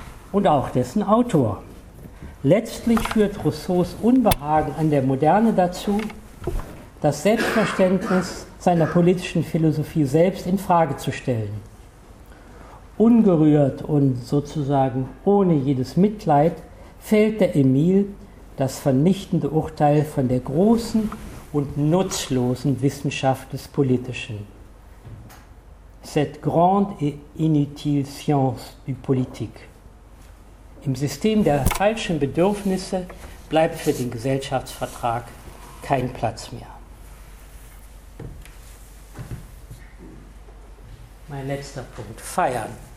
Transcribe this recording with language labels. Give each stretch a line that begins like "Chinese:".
German: Und auch dessen Autor. Letztlich führt Rousseaus Unbehagen an der Moderne dazu, das Selbstverständnis seiner politischen Philosophie selbst in Frage zu stellen. Ungerührt und sozusagen ohne jedes Mitleid fällt der Emil das vernichtende Urteil von der großen und nutzlosen Wissenschaft des Politischen.
French: Cette grande et inutile science du politique.
German: Im System der falschen Bedürfnisse bleibt für den Gesellschaftsvertrag kein Platz mehr. Mein letzter Punkt, feiern.